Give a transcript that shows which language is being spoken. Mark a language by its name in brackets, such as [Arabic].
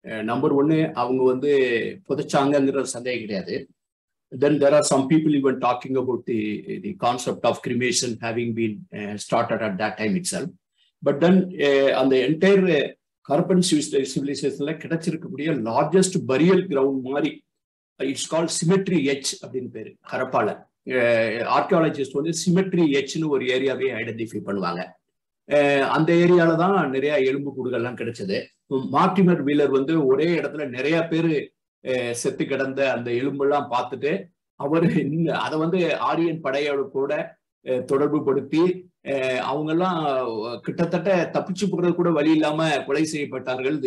[English] Number one, [Tamil] அவங்க வந்து புதைச்சாங்கிற சந்தேகம் கிடையாது. [English] Then there are some people even talking about the concept of cremation having been started at that time itself. But then on the entire Harappan civilization [Tamil] கிடைச்சிருக்கக்கூடிய [English] largest burial ground [Tamil] மாதிரி, [English] it's call cemetery H [Tamil] அப்படின்னு பேரு ஹரப்பால. Archaeologist வந்து symmetry எச்னு ஒரு ஏரியாவே identify பண்ணுவாங்க. அந்த ஏரியால தான் நிறைய எலும்பு கூடுகள்லாம் கிடைச்சது. மார்டிமர் வீலர் வந்து ஒரே இடத்துல நிறைய பேர் செத்து கிடந்த அந்த எலும்பெல்லாம் பார்த்துட்டு அவர் அதை வந்து ஆரியன் படையோட கூட தொடர்பு படுத்தி அவங்கெல்லாம் கிட்டத்தட்ட தப்பிச்சு போறது கூட வழி இல்லாம கொலை செய்யப்பட்டார்கள்.